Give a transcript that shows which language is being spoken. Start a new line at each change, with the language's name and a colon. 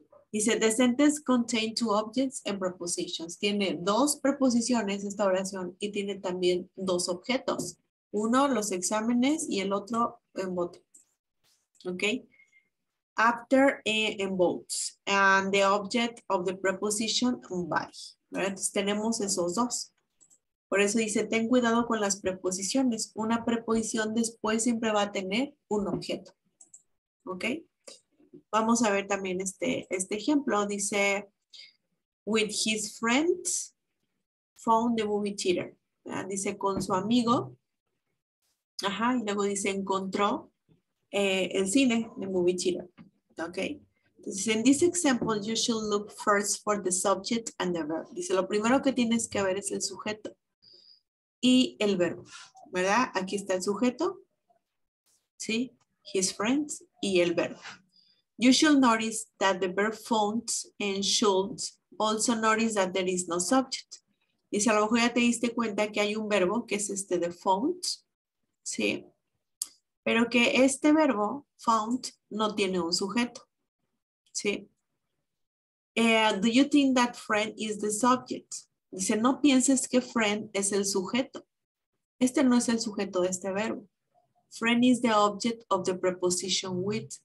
English: Dice, the sentence contains two objects and prepositions.
Spanish: Tiene dos preposiciones esta oración y tiene también dos objetos. Uno, los exámenes, y el otro, en bote.
English: ¿Ok? After in boats. And the object of the preposition by. ¿Verdad?
Spanish: Entonces tenemos esos dos. Por eso dice, ten cuidado con las preposiciones. Una preposición después siempre va a tener un objeto. ¿Ok? Vamos a ver también este ejemplo.
English: Dice, with his friends, found the movie theater.
Spanish: ¿Verdad? Dice, con su amigo. Ajá, y luego dice, encontró el cine,
English: the movie theater.
Spanish: ¿Ok?
English: Entonces, in this example, you should look first for the subject and the verb.
Spanish: Dice, lo primero que tienes que ver es el sujeto y el verbo. ¿Verdad? Aquí está el sujeto. ¿Sí?
English: His friends
Spanish: y el verbo.
English: You should notice that the verb found and should also notice that there is no subject.
Spanish: Y si a lo mejor ya te diste cuenta que hay un verbo que es este de found, ¿sí? Pero que este verbo, found, no tiene un sujeto, ¿sí?
English: Do you think that friend is the subject?
Spanish: Dice, no pienses que friend es el sujeto. Este no es el sujeto de este verbo.
English: Friend is the object of the preposition with.